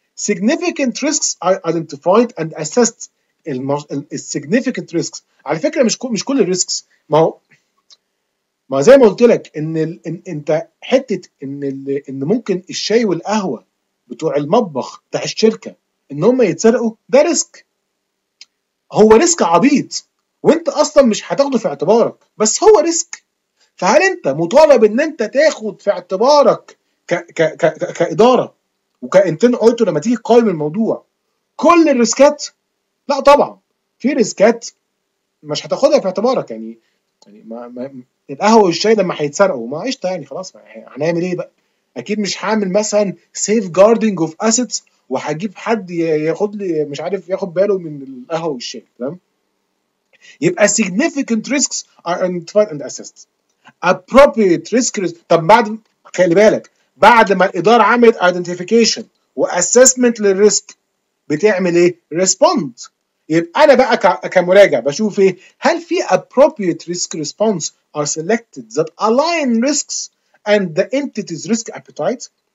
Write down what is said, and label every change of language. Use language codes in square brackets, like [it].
[en] significant risks are identified and assessed. [ar] السيجنيفيكنت ريسكس، على فكره مش كل الريسكس، ما زي ما قلت لك ان انت حته ان ممكن الشاي والقهوه بتوع المطبخ بتاع الشركه ان هم يتسرقوا، ده ريسك، هو ريسك عبيط وانت اصلا مش هتاخده في اعتبارك، بس هو ريسك. فهل انت مطالب ان انت تاخد في اعتبارك كاداره وكانتن اوتو لما تيجي تقيم الموضوع كل الريسكات؟ لا طبعا، في ريسكات مش هتاخدها في اعتبارك، يعني ما القهوه والشاي لما هيتسرقوا ما قشطه، يعني خلاص هنعمل ايه بقى؟ اكيد مش هعمل مثلا [en] safeguarding of assets [ar] وهجيب حد ياخد لي مش عارف ياخد باله من القهوه والشاي، تمام؟ يبقى [en] significant risks are identified and assessed. appropriate risk. [ar] طب بعد، خلي بالك، بعد ما الاداره عملت identification واسسمنت للريسك بتعمل ايه؟ ريسبوند. يبقى انا بقى كمراجع بشوف ايه، هل في [en] appropriate risk response are selected that align risks and the entity's risk appetite.